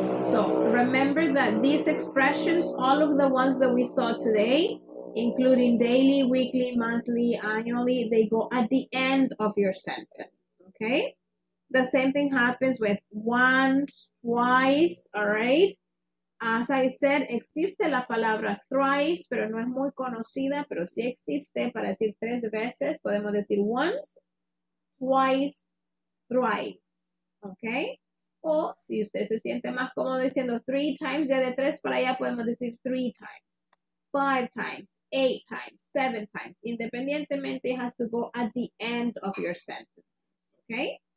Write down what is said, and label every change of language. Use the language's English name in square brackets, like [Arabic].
[English] So remember that these expressions, all of the ones that we saw today, including daily, weekly, monthly, annually, they go at the end of your sentence, okay? The same thing happens with once, twice, all right? As I said, [Spanish] existe la palabra thrice, pero no es muy conocida, pero sí existe para decir tres veces. Podemos decir once, twice, thrice, okay? O si usted se siente más cómodo diciendo three times, ya de tres para allá podemos decir three times, five times, eight times, seven times. [English] Independientemente, it has to go at the end of your sentence, okay?